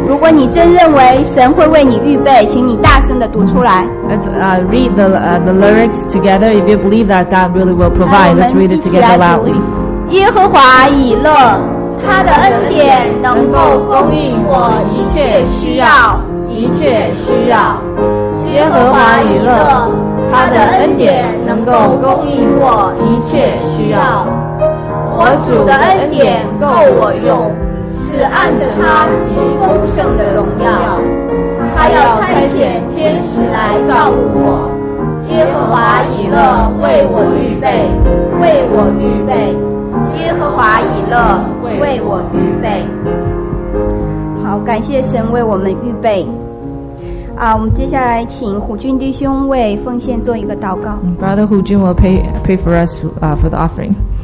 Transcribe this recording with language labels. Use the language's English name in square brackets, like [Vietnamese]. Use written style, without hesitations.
[Chinese] 如果你真认为神会为你预备，请你大声的读出来。 [English] Let's read the lyrics together. If you believe that God really will provide, let's read it together loudly. [Chinese] 耶和华以勒，他的恩典能够供应我一切需要，一切需要。耶和华以勒，他的恩典能够供应我一切需要。我主的恩典够我用，是按着他极丰盛的荣耀。他要差遣天使来照顾我，耶和华以勒为我预备，为我预备，耶和华以勒为我预备。好，感谢神为我们预备。我们接下来请胡俊弟兄为奉献做一个祷告。 [English] Brother Hu Jun will pray for us for the offering.